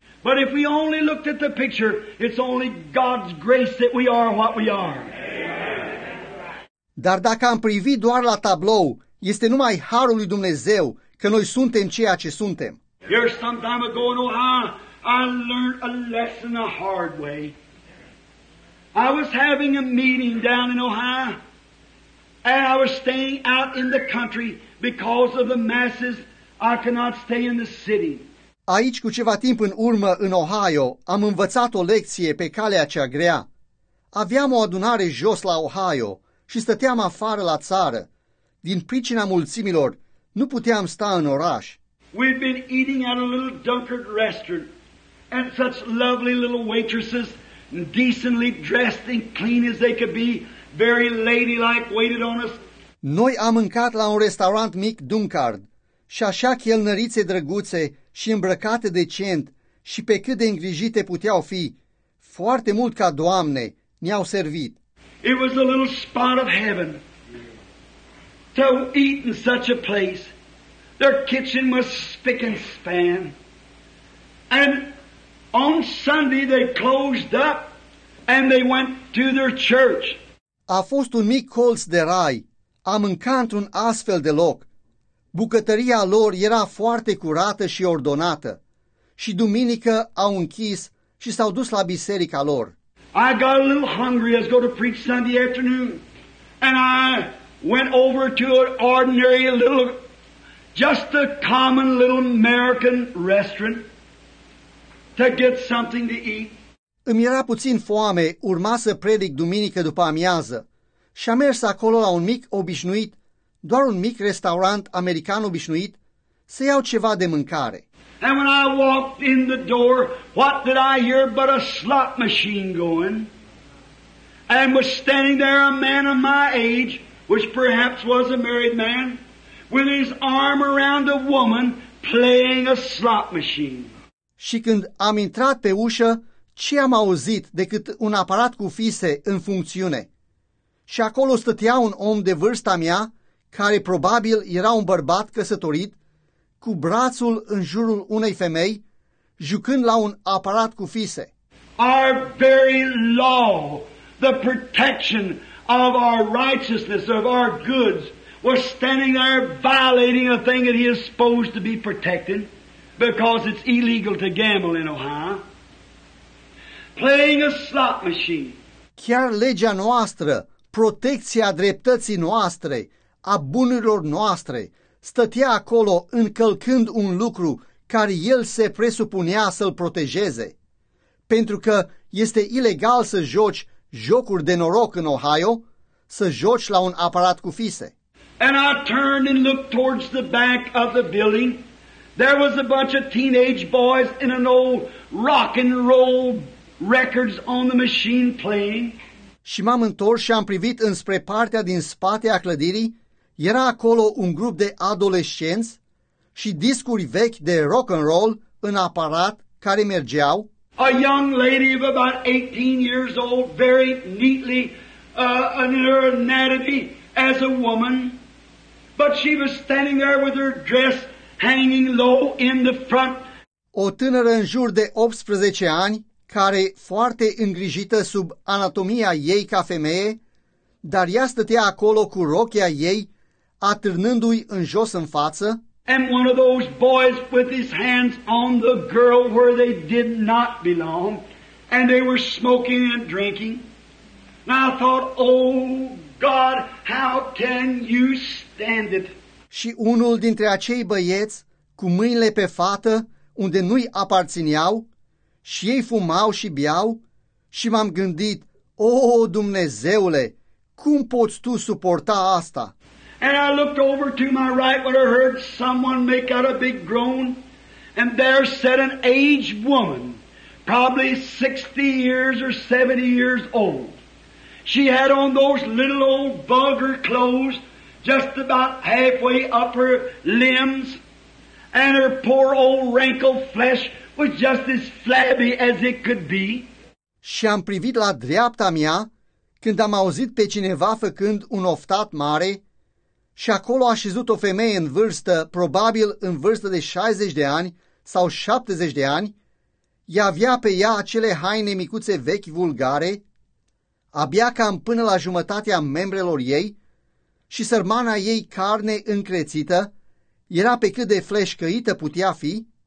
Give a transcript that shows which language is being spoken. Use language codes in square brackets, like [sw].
[en] But if we only looked at the picture, it's only God's grace that we are what we are. [ro] Dar dacă am privit doar la tablou, este numai harul lui Dumnezeu că noi suntem ceea ce suntem. [en] Here some time ago in Ohio, I learned a lesson the hard way. I was having a meeting down in Ohio. And I was staying out in the country because of the masses. I cannot stay in the city. [ro] Aici, cu ceva timp în urmă, în Ohio, am învățat o lecție pe calea cea grea. Aveam o adunare jos la Ohio și stăteam afară la țară. Din pricina mulțimilor, nu puteam sta în oraș. [en] We'd been eating at a little Dunkard restaurant, and such lovely little waitresses, decently dressed and clean as they could be, very ladylike, waited on us. [ro] Noi am mâncat la un restaurant mic Dunkard și așa chelnărițe drăguțe și îmbrăcate decent și pe cât de îngrijite puteau fi, foarte mult ca Doamne, ne-au servit. [en] It was a little spot of heaven to eat in such a place. Their kitchen was spick and span. And on Sunday they closed up and they went to their church. [ro] A fost un mic colț de rai. A mâncat într-un astfel de loc. Bucătăria lor era foarte curată și ordonată. Și duminică au închis și s-au dus la biserica lor. [en] I got a little hungry as go to preach Sunday afternoon. And I went over to an ordinary little, just a common little American restaurant to get something to eat. [ro] Îmi era puțin foame, urma să predic duminică după amiază. Și am mers acolo la un mic obișnuit, doar un mic restaurant american obișnuit, să iau ceva de mâncare. [en] And when I walked in the door, what did I hear but a slot machine going? And was standing there a man of my age, which perhaps was a married man, with his arm around a woman playing a slot machine. [ro] Și când am intrat pe ușă, ce am auzit decât un aparat cu fise în funcțiune? Și acolo stătea un om de vârsta mea, care probabil era un bărbat căsătorit, cu brațul în jurul unei femei, jucând la un aparat cu fise. [en] Our very law, the protection of our righteousness, of our goods, was standing there violating a thing that he is supposed to be protecting, because it's illegal to gamble in Ohio, playing a slot machine. [ro] Chiar legea noastră, protecția dreptății noastre, a bunurilor noastre, stătea acolo încălcând un lucru care el se presupunea să-l protejeze. Pentru că este ilegal să joci jocuri de noroc în Ohio, să joci la un aparat cu fise. [en] And I turned and looked towards the back of the building. There was a bunch of teenage boys in an old rock and roll records on the machine playing. [ro] Și m-am întors și am privit înspre partea din spate a clădirii. Era acolo un grup de adolescenți și discuri vechi de rock and roll în aparat care mergeau. [en] A young lady of about 18 years old, very neatly in her anatomy as a woman, but she was standing there with her dress hanging low in the front. [ro] O tânără în jur de 18 ani, care foarte îngrijită sub anatomia ei ca femeie, dar ea stătea acolo cu rochia ei atârnându-i în jos în față. [en] And one of those boys put his hands on the girl where they did not belong, and they were smoking and drinking. And I thought, oh God, how can you stand it? [ro] Și unul dintre acei băieți, cu mâinile pe fată, unde nu-i aparțineau, și ei fumau și beau, și m-am gândit, oh Dumnezeule, cum poți tu suporta asta? [en] And I looked over to my right when I heard someone make out a big groan, and there sat an aged woman, probably 60 years or 70 years old. She had on those little old vulgar clothes, just about halfway up her limbs, and her poor old wrinkled flesh was just as flabby as it could be. [ro] Și am privit la dreapta mea când am auzit pe cineva făcând un oftat mare. Și acolo a așezut o femeie în vârstă, probabil în vârstă de 60 de ani sau 70 de ani. Ea avea pe ea acele haine micuțe vechi vulgare, abia cam până la jumătatea membrelor ei, și sărmana ei carne încrețită era pe cât de fleșcăită putea fi.